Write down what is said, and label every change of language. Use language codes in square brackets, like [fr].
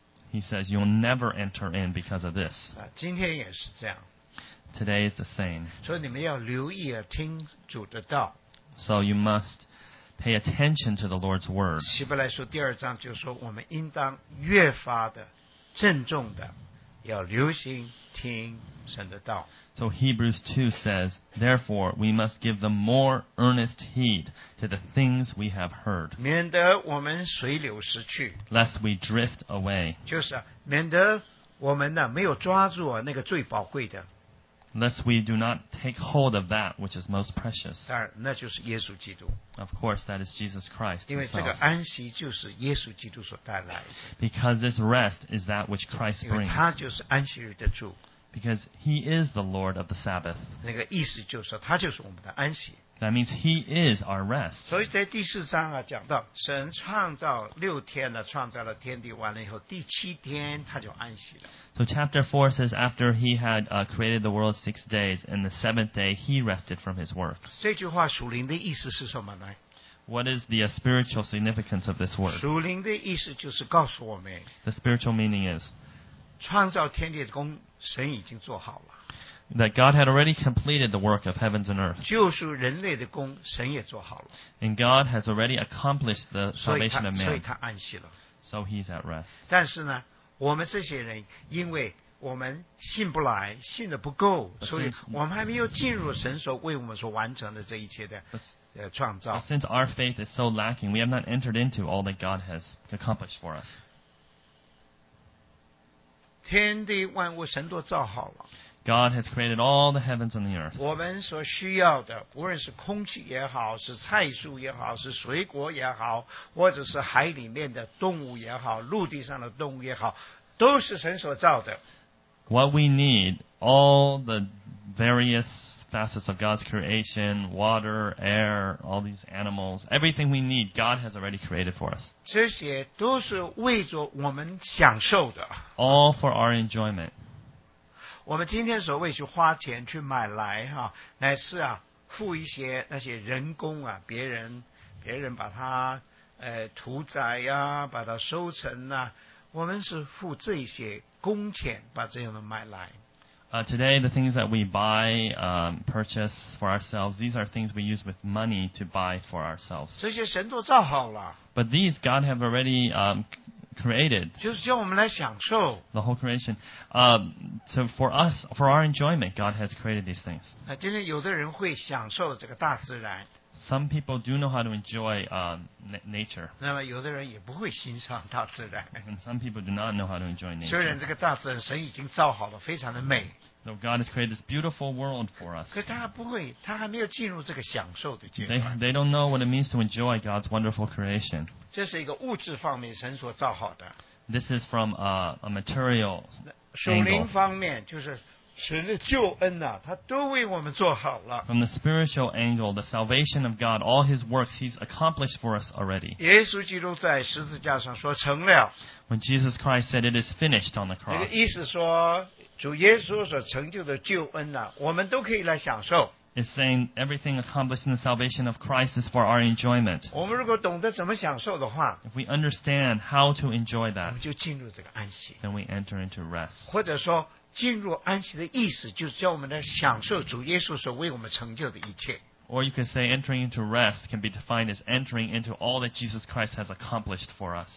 [en] He says you'll never enter in because of this. Today is the same. So you must pay attention to the Lord's word. [zh] 希伯来书第二章就说，我们应当越发的郑重的要留心听神的道。 [en] So Hebrews 2 says, therefore we must give the more earnest heed to the things we have heard. [zh] 免得我们随流失去。 [en] Lest we drift away. [zh] 就是免得我们呢没有抓住那个最宝贵的。 [en] Lest we do not take hold of that which is most precious. [zh] 当然，那就是耶稣基督。 [en] Of course, that is Jesus Christ. [zh] 因为这个安息就是耶稣基督所带来的。 [en] Because this rest is that which Christ brings. [zh] 因为他就是安息日的主。 [en] Because he is the Lord of the Sabbath. [zh] 那个意思就是说，他就是我们的安息。 [en] That means he is our rest. [zh] 所以在第四章啊，讲到神创造六天呢，创造了天地，完了以后，第七天他就安息了。 [en] So chapter 4 says after he had created the world 6 days, and the seventh day he rested from his works. [zh] 这句话属灵的意思是什么呢？ [en] What is the spiritual significance of this word? [zh] 属灵的意思就是告诉我们， [en] The spiritual meaning is [zh] 创造天地的工神已经做好了。 [en] That God had already completed the work of heavens and earth. [zh] 就是人类的工神也做好了。 [en] And God has already accomplished the salvation of man. [zh] 所以他安息了。 [en] So he's at rest. [zh] 但是呢，我们这些人因为我们信不来，信得不够，所以我们还没有进入神所为我们所完成的这一切的创造。 [en] But since our faith is so lacking, we have not entered into all that God has accomplished for us. [zh] 天地万物神都造好了。 [en] God has created all the heavens and the earth. [zh] 我们所需要的，无论是空气也好，是菜蔬也好，是水果也好，或者是海里面的动物也好，陆地上的动物也好，都是神所造的。 [en] What we need, all the various facets of God's creation, water, air, all these animals, everything we need, God has already created for us. [zh] 这些都是为着我们享受的。 [en] All for our enjoyment. [zh] 我们今天所谓去花钱去买来哈，乃是啊付一些那些人工啊，别人把它屠宰呀、啊，把它收成啊，我们是付这些工钱把这样的买来。 [en] Today the things that we buy, purchase for ourselves, these are things we use with money to buy for ourselves. [zh] 这些神都造好了。 [en] But these God have already created. [zh] 就是叫我们来享受。 [en] The whole creation. So for us, for our enjoyment, God has created these things. [zh] 今天有的人会享受这个大自然。 [en] Some people do know how to enjoy nature. [zh] 那么有的人也不会欣赏大自然。 [en] And some people do not know how to enjoy nature. [zh] 虽然这个大自然神已经造好了，非常的美。 [en] So God has created this beautiful world for us. [zh] 可他不会，他还没有进入这个享受的阶段。 [en] They don't know what it means to enjoy God's wonderful creation. [zh] 这是一个物质方面神所造好的。 [en] This is from a material. [zh] 属灵方面就是。神的救恩啊，他都为我们做好了。 [en] From the spiritual angle, the salvation of God, all His works, He's accomplished for us already. [zh] 耶稣基督在十字架上说成了。 [en] When Jesus Christ said it is finished on the cross. [zh] 那个意思说，主耶稣所成就的救恩啊，我们都可以来享受。 [en] It's saying everything accomplished in the salvation of Christ is for our enjoyment. [zh] 我们如果懂得怎么享受的话， [en] If we understand how to enjoy that, [zh] 我们就进入这个安息。 [en] Then we enter into rest. [zh] 或者说进入安息的意思就是叫我们来享受主耶稣所为我们成就的一切。 [en] Or you can say entering into rest can be defined as entering into all that Jesus Christ has accomplished for us.